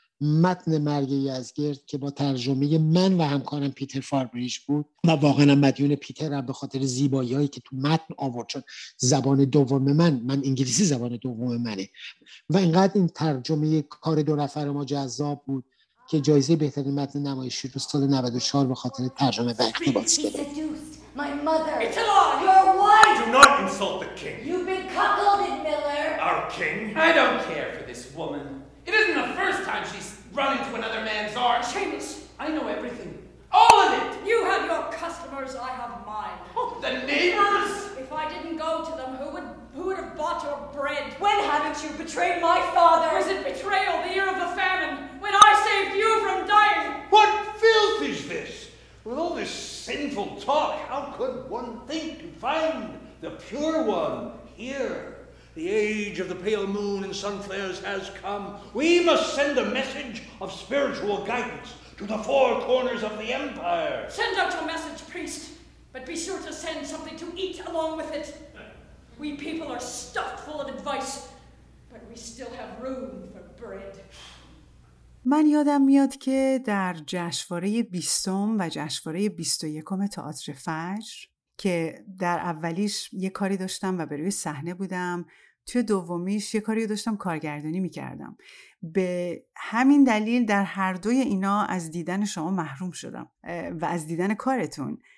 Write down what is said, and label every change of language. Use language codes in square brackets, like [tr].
[fa] متن مرگ یزگرد که با ترجمه من و همکارم پیتر فاربریش بود و واقعا مدیون پیترم به خاطر زیبایی هایی که تو متن آورد، چون زبان دوم من انگلیسی زبان دوم منه و اینقدر این ترجمه کار دو نفر ما جذاب بود که جایزه بهترین متن نمایشی رو سال 94 به خاطر ترجمه و اقتباس گرفت. [en] My mother. It's a law. Your wife. Do not insult the king. You've been cuckolded, Miller. Our king. I don't care for this woman. It isn't the first time she's run into another man's arms. Seamus, I know everything. All of it. You have your customers. I have mine. Oh, the neighbors. If I didn't go to them, who would have bought your bread? When haven't you betrayed my father? Was it betrayal, the year of the famine, when I saved you from dying? What filth is this? With all this sinful talk, how could one think to find the pure one here? The age of the pale moon and sun flares has come. We must send a message of spiritual guidance to the four corners of the empire. Send out your message, priest, but be sure to send something to eat along with it. We people are stuffed full of advice, but we still have room for bread. [fa] من یادم میاد که در جشنواره 20 و جشنواره 21 تئاتر فجر که در اولیش یه کاری داشتم و بروی صحنه بودم، توی دومیش یه کاری داشتم کارگردانی میکردم، به همین دلیل در هر دوی اینا از دیدن شما محروم شدم و از دیدن کارتون.